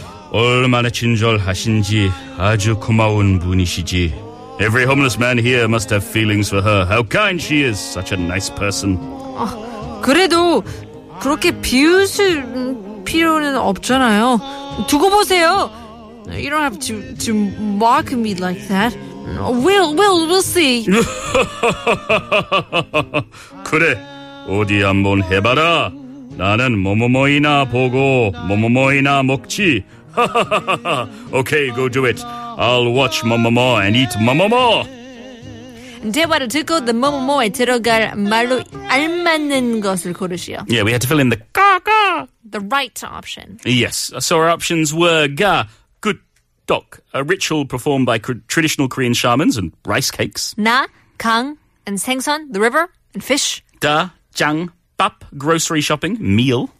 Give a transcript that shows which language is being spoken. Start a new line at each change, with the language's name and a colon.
Korean: 얼마나 친절하신지 아주 고마운 분이시지.
English: Every homeless man here must have feelings for her. How kind she is. Such a nice person.
Korean: 그래도 그렇게 비웃을 필요는 없잖아요. 두고 보세요.
English: You don't have to mock me like that. We'll see.
Korean: 그래, 어디 한번 해봐라. 나는 뭐뭐뭐이나 보고 뭐뭐뭐이나 먹지.
English: Okay, go do it. I'll watch 뭐뭐뭐 and eat 뭐뭐뭐.
Korean: 대화를 듣고 the 뭐뭐뭐에 들어갈 말로 알맞는 것을 고르시오.
English: Yeah, we had to fill in the 가가. The right option. Yes, so our options were 가. Dok, a ritual performed by traditional Korean shamans and rice cakes. Na, gang, and saengseon, the river, and fish. Da, jang, bap, grocery shopping, meal.